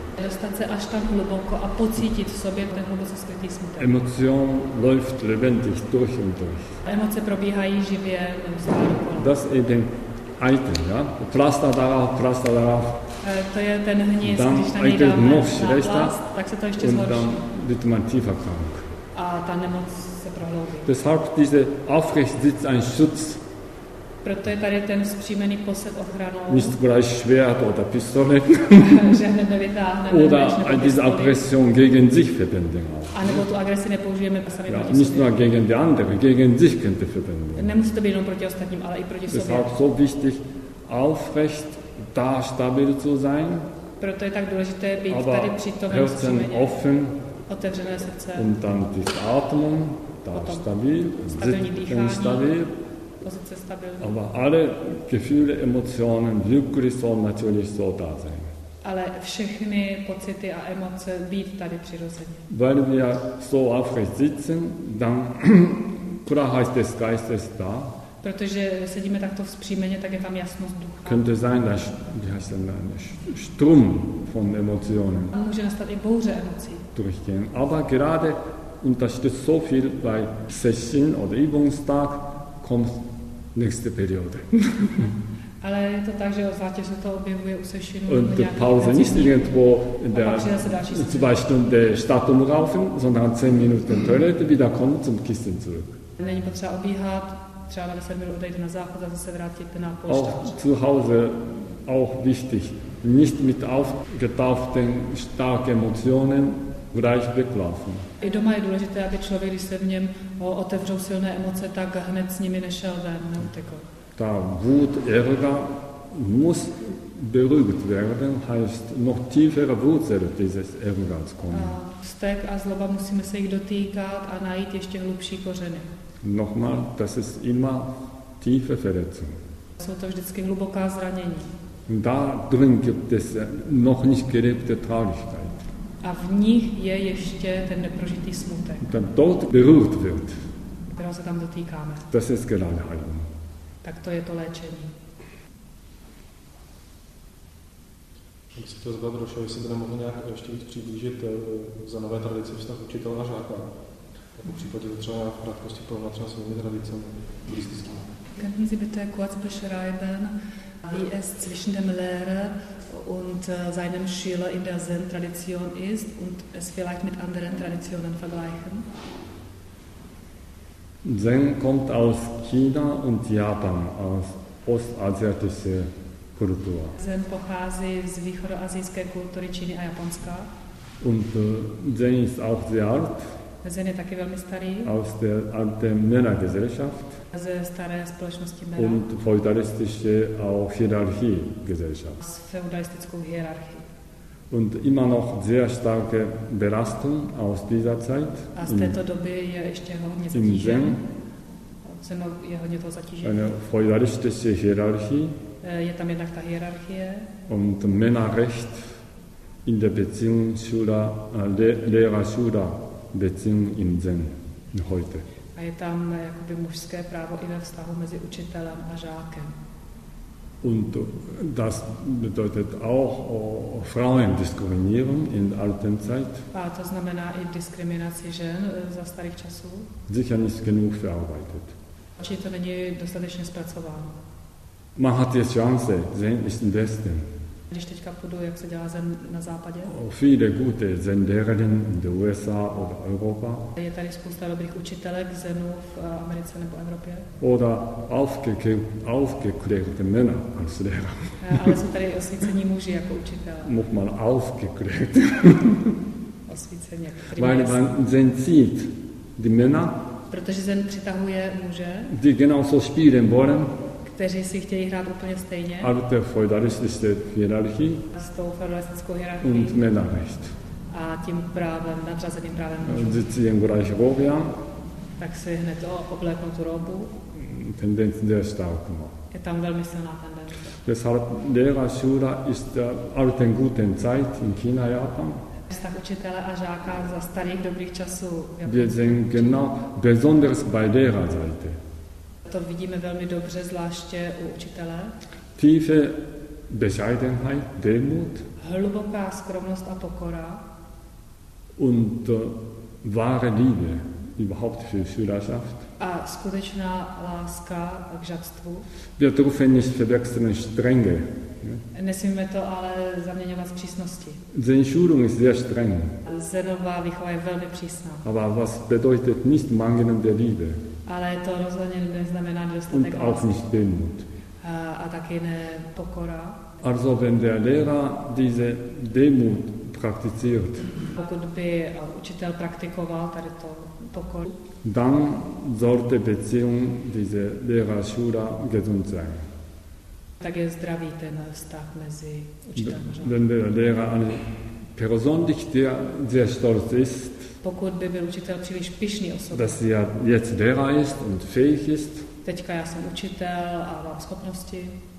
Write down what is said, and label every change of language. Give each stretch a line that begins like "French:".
Czech: Dostat se až tak hluboko a pocítit v sobě ten hluboký smutek.
German: Emotion läuft lebendig durch und durch.
Czech: Emoce probíhají živě.
German: Das eben Eitel, ja? Pflaster darauf,
Czech: to je ten hnis, dann když na něj dáme schlechter, na plast, tak se to ještě zhorší.
German: Wird man tiefer krank.
Czech: A ta nemoc se prohloubí.
German: Deshalb diese aufrecht sitzt ein Schutz.
Czech: Proto je tady ten vzpřímený posed ochranou.
German: Nicht gleich Schwert oder Pistole.
Czech: Že hned nevytáhneme.
German: Oder diese Aggression gegen sich verwenden.
Czech: A nebo tu agresi nepoužijeme sami proti sobě.
German: Nicht nur gegen die andere, gegen sich könnte verwenden.
Czech: Nemusí to být jenom proti ostatním, ale i proti sobě.
German: Deshalb so wichtig, aufrecht da stabil zu sein.
Czech: Proto je tak důležité být
German: aber
Czech: tady přítomen.
German: Herzen offen.
Czech: Otevřené srdce.
German: Und dann die Atmung, da stabil, sitzen stabil.
Czech: Pozice stabilní.
German: Aber alle Gefühle, Emotionen, wirklich so natürlich so da sein.
Czech: Ale všechny pocity a emoce být tady přirozeně.
German: Weil wir so aufrecht sitzen, dann Klarheit des Geistes da.
Czech: Protože sedíme takto vzpřímeně, tak je tam jasnost ducha.
German: Könnte sein, dass, wie heißt denn, Sturm von Emotionen.
Czech: A může nastat i bouře emocí.
German: Durchgehen. Aber gerade unterstützt so viel bei Session oder Übungstag kommt nächste Periode.
Czech: Ale je to tak, že zvláště se to objevuje u Sessionu.
German: Und Pause nicht irgendwo in der 2 Stunden Startumlaufen, sondern 10 Minuten Toilette, wieder kommen zum Kissen zurück.
Czech: Není potřeba obíhat, třeba na 10 minut odejde na záchod a zase vrátit na polštář.
German: Auch zu Hause, auch wichtig. Nicht mit aufgetauften starken Emotionen gleich weglaufen.
Czech: I doma je důležité, aby člověk, když se v něm otevřou silné emoce, tak hned s nimi nešel ven, neutekl.
German: Ta Wut, Ärger muss beruhigt werden, heißt noch tiefere Wurzel dieses Ärgers kommen.
Czech: Vztek a zloba musíme se jich dotýkat a najít ještě hlubší kořeny.
German: Nochmal, das ist immer tiefe Verletzung.
Czech: Jsou to vždycky hluboká zranění.
German: Da drin gibt es noch nicht gelebte Traurigkeit.
Czech: A v nich je ještě ten neprožitý smutek.
German: Dann dort berührt wird.
Czech: Kterého se tam dotýkáme.
German: Das ist gerade Heilung.
Czech: Tak to je to léčení. Já bych se chtěl zeptat, Roša, jestli bude mohl nějak ještě víc přiblížit za nové tradice vztah učitel a žáka. Jako případě to třeba v krátkosti porovnat třeba svými tradicemi buddhistickými.
German: Können Sie bitte kurz beschreiben, wie es zwischen dem Lehrer und seinem Schüler in der Zen-Tradition ist und es vielleicht mit anderen Traditionen vergleichen? Zen kommt aus China und Japan, aus ostasiatischer Kultur.
Czech: Zen pochází z východoasijské kultury Číny a Japonska.
German: Und Zen ist auch sehr alt.
Czech: Zen je taky velmi starý.
German: Aus der alten Männergesellschaft.
Czech: Ze staré společnosti Mera.
German: Und feudalistische auch Hierarchie Gesellschaft.
Czech: S feudalistickou hierarchii.
German: Und immer noch sehr starke Belastung aus dieser Zeit. Aus der Zeit
Czech: je ještě hodně zatížen. Zen je hodně toho zatížen.
German: Eine feudalistische Hierarchie.
Czech: Je tam jednak ta hierarchie.
German: Und Männerrecht in der Beziehung Lehrer-Schüler Beziehung im Zen heute.
Czech: A je tam jakoby mužské právo i ve vztahu mezi učitelem a žákem.
German: Und das bedeutet auch Frauendiskriminierung in alten Zeit.
Czech: A to znamená i diskriminaci žen za starých časů.
German: Sicher nicht genug verarbeitet.
Czech: Čili to není dostatečně zpracováno.
German: Man hat jetzt Chance, Zen ist im Westen.
Czech: Když teďka půjdu, jak se dělá Zen na západě?
German: Viele gute Zen-Lehrerinnen in den USA oder Europa.
Czech: Je tady spousta dobrých učitelek Zenu v Americe nebo Evropě?
German: Oder aufgeklärte Männer als Lehrer.
Czech: Ale jsou tady osvícení muži jako učitele.
German: Muss man aufgeklärt.
Czech: Osvícení.
German: Weil man Zen zieht die Männer.
Czech: Protože Zen přitahuje muže.
German: Die genauso spielen wollen.
Czech: Kteří si chtějí hrát úplně stejně. Ale to je feudalistické hierarchie. S tou feudalistickou hierarchii.
German: Und Männerrecht.
Czech: A tím právem, nadřazeným právem.
German: Sie ziehen gleich Robe an.
Czech: Tak si hned oblékl tu robu.
German: Tendenz sehr stark.
Czech: Je tam velmi silná tendence.
German: Deshalb Lehrer Schüler ist der alten guten Zeit in China, Japan.
Czech: Vztah učitele a žáka za starých dobrých časů.
German: Wir sehen genau, besonders bei Lehrerseite.
Czech: To vidíme velmi dobře, zvláště u učitele.
German: Tiefe Bescheidenheit, Demut.
Czech: Hluboká skromnost a pokora.
German: Und wahre Liebe, überhaupt für Schülerschaft.
Czech: A skutečná láska k žatstvu.
German: Wir dürfen nicht verwechseln Strenge.
Czech: Nesmíme to ale zaměňovat s přísnosti.
German: Zenschulung ist sehr streng.
Czech: Zenová výchova je velmi přísná.
German: Aber was bedeutet nicht mangelnde der Liebe?
Czech: Ale to rozhodně neznamená dostatek.
German: Und auch nicht Demut.
Czech: A taky ne pokora.
German: Also wenn der Lehrer diese Demut praktiziert.
Czech: Pokud by učitel praktikoval tady to pokor.
German: Dann sollte Beziehung diese Lehrer-Schüler gesund sein.
Czech: Tak je zdravý ten vztah mezi učitelem.
German: Wenn der Lehrer eine Person, die sehr stolz ist,
Czech: pokud by byl učitel příliš pyšný osobou.
German: Dass sie jetzt Lehrer ist und fähig ist.
Czech: Teďka já jsem učitel a mám schopnosti.